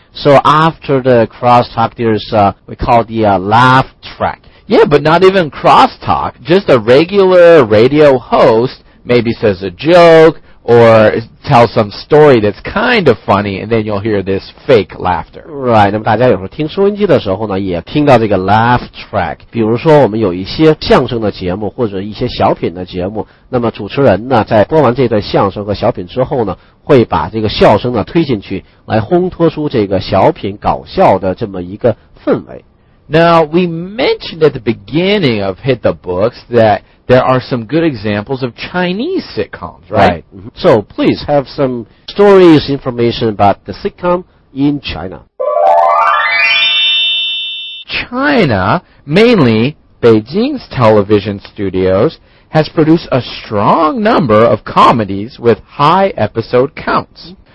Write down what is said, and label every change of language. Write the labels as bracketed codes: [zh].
[en] So after the crosstalk, there's, we call it the laugh track. Yeah, but not even crosstalk. Just a regular radio host maybe says a joke or tells some story that's kind of funny, and then you'll hear this fake laughter. [zh] Right, 那么大家有时候听收音机的时候呢，也听到这个 laugh track. 比如说我们有一些相声的节目，或者一些小品的节目，那么主持人呢，在播完这段相声和小品之后呢，会把这个笑声呢推进去，来烘托出这个小品搞笑的这么一个氛围。 [en] Now, we mentioned at the beginning of Hit the Books that there are some good examples of Chinese sitcoms, right? Right. So, please have some stories, information about the sitcom in China. China, mainly Beijing's television studios, has produced a strong number of comedies with high episode counts.